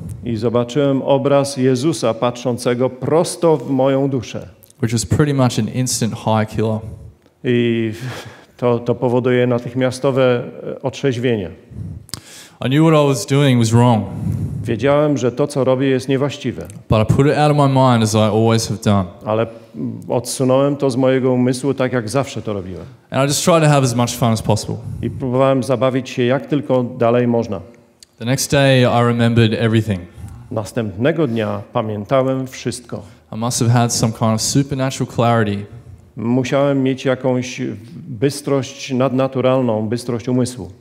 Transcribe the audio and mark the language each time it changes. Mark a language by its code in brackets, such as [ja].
[pl] I zobaczyłem obraz Jezusa patrzącego prosto w moją duszę. [en] Which was pretty much an instant high killer. [pl] I to powoduje natychmiastowe otrzeźwienie. [en] I knew what I was doing was wrong. [pl] Wiedziałem, że to, co robię, jest niewłaściwe. [en] But I put it out of my mind as I always have done. [pl] Ale odsunąłem to z mojego umysłu, tak jak zawsze to robiłem. [en] And I just tried to have as much fun as possible. [pl] I próbowałem zabawić się jak tylko dalej można. [en] The next day I remembered everything. [pl] Następnego dnia pamiętałem wszystko. [en] I must have had some kind of supernatural clarity. [pl] Musiałem mieć jakąś bystrość nadnaturalną, bystrość umysłu.